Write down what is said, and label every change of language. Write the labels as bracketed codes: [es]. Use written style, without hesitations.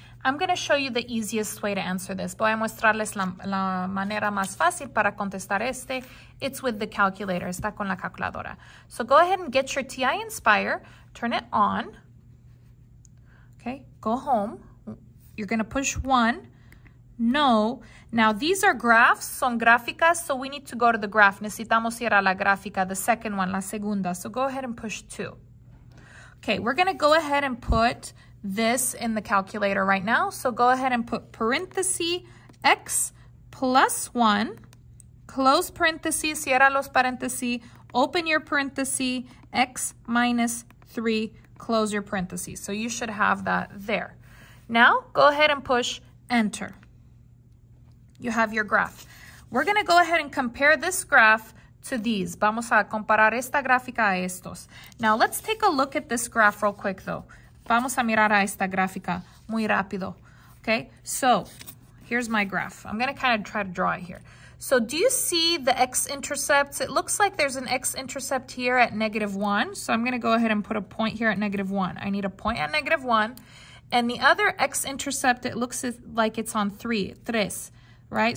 [en] I'm going to show you the easiest way to answer this. [es] Voy a mostrarles la manera más fácil para contestar este. [en] It's with the calculator. [es] Está con la calculadora. [en] So go ahead and get your TI Inspire. Turn it on. Okay, go home. You're going to push 1. No. Now, these are graphs. [es] Son gráficas, [en] so we need to go to the graph. [es] Necesitamos ir a la gráfica, [en] the second one, [es] la segunda. [en] So go ahead and push 2. Okay, we're going to go ahead and put this in the calculator right now. So go ahead and put parentheses x plus 1, close parentheses, [es] cierra los parentheses, [en] open your parentheses, x minus 3, close your parentheses. So you should have that there. Now go ahead and push enter. You have your graph. We're going to go ahead and compare this graph to these. [es] Vamos a comparar esta gráfica a estos. [en] Now let's take a look at this graph real quick though. [es] Vamos a mirar a esta gráfica muy rápido. [en] Okay, so here's my graph. I'm going to kind of try to draw it here. So do you see the x-intercepts? It looks like there's an x-intercept here at negative 1. So I'm going to go ahead and put a point here at negative 1. I need a point at negative 1. And the other x-intercept, it looks like it's on 3, 3, right?